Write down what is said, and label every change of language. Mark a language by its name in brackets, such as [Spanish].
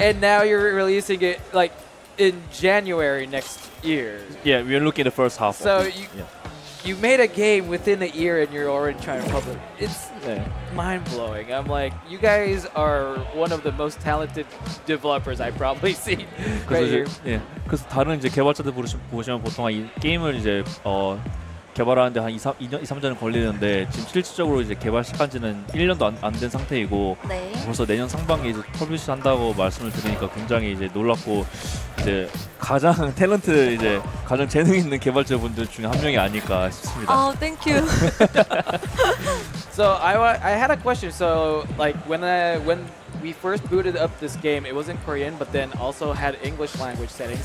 [English] And now you're releasing it like in January next year. Yeah, we're looking at the first half. So you made a game within a year and you're already trying to publish. It's mind-blowing. I'm like, you guys are one of the most talented developers I've probably seen right here. Yeah. [Korean] 그래서 다른 이제 개발자들 보시면 보통 이 게임을 이제 개발하는데 한 2-3년 걸리는데 지금 실질적으로 이제 개발 시간지는 1년도 안 된 상태이고 벌써 내년 상반기에 이제 퍼블리시 한다고 말씀을 드리니까 굉장히 이제 놀랍고 이제 가장 탤런트 이제 가장 재능 있는 개발자분들 중에 한 명이 아닐까 싶습니다. [English] Oh, thank you. So I had a question. So like when we first booted up this game, it was in Korean, but then also had English language settings.